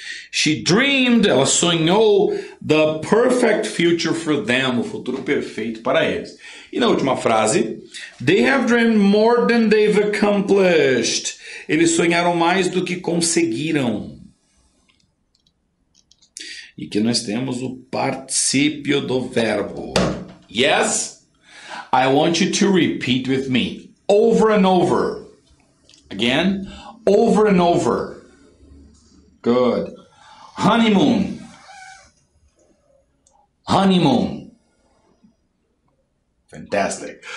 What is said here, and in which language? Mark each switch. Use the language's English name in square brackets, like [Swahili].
[English] She dreamed, [Portuguese] ela sonhou, [English] the perfect future for them, [Portuguese] o futuro perfeito para eles. E na última frase, [English] they have dreamed more than they've accomplished. [Portuguese] Eles sonharam mais do que conseguiram. E aqui nós temos o particípio do verbo. [English] Yes, I want you to repeat with me. Over and over. Again, over and over. Good. Honeymoon. Honeymoon. Fantastic.